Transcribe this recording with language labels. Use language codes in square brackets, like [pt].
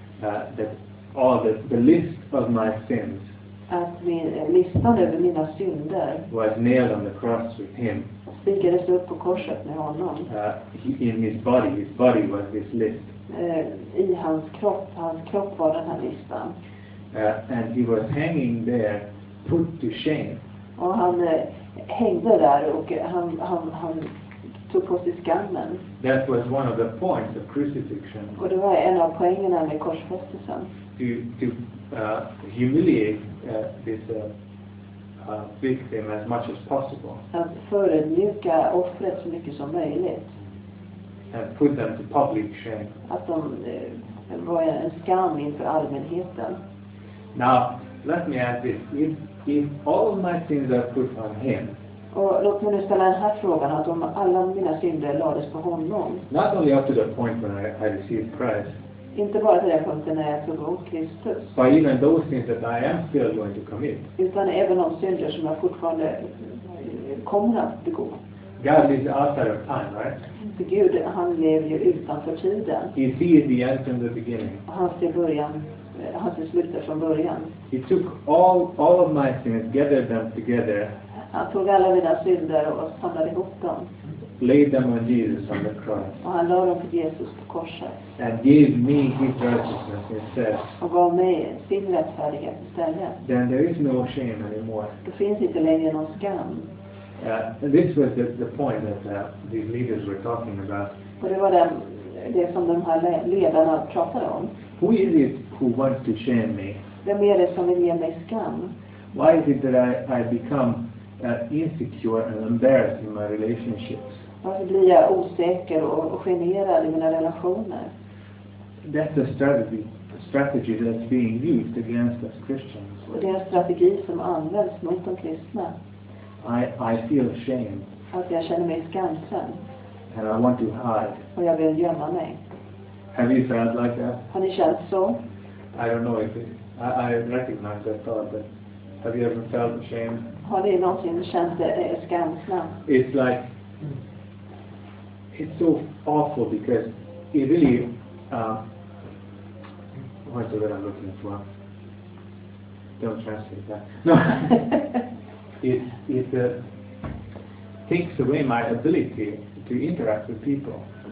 [en] That all the list of my sins. [sv] Att listan över mina synder. [en] Was nailed on the cross with him. [sv] Stickades upp på korset med honom. [en] In his body was this list. [sv] I hans kropp var den här listan. [en] And he was hanging there, put to shame. [sv] Och han hängde där och han tog på sig skammen. [en] That was one of the points of crucifixion. [sv] Och det var en av poängerna med korsfästelsen. [en] To humiliate this victim as much as possible. [sv] Att förödmjuka offret så mycket som möjligt. [en] And put them to public shame. [sv] Att de var en skam inför allmänheten. [en] Now, let me ask this. If all my sins are put on him. [sv] Och låt mig nu ställa den här frågan, att om alla mina synder lades på honom. [en] Not only up to the point when I received Christ. [sv] Inte bara till den punkten när jag tog emot Kristus. [en] But even those sins that I am still going to commit. [sv] Utan även de synder som jag fortfarande kommer att begå. [en] God is outside of time, right? [sv] För Gud, han lever ju utanför tiden. [en] He sees the end from the beginning. [sv] Och han ser början. Han hade slutat från början. [en] He took all of my sins, gathered them together. [sv] Han tog alla mina synder och samlade ihop dem. [en] Laid them on Jesus on the cross. [sv] Och han lade dem på Jesus på korset. [en] And gave me his righteousness instead. [sv] Och gav mig sin rättfärdighet istället. [en] Then there is no shame anymore. [sv] Det finns inte längre någon skam. [en] This was the point that these leaders were talking about. [sv] Och det var det som de här ledarna pratade om. [en] Who is it who wants to shame me? [sv] Vem är det som vill ge mig skam? [en] Why is it that I become insecure and embarrassed in my relationships? [sv] Varför blir jag osäker och generad i mina relationer? [en] That's a strategy that's being used against us Christians. [sv] Och det är en strategi som används mot de kristna. [en] I feel shame. [sv] Att jag känner mig skamsen. [en] And I want to hide. [sv] Och jag vill gömma mig. [en] Have you felt like that? [sv] Har ni känt så? [en] I don't know if I recognize that thought, but have you ever felt ashamed? [sv] Har ni någonsin känt skamsna? [en] It's like, it's so awful because it really, what's the word I'm looking for? Don't translate that. No, it takes away my ability to interact with people.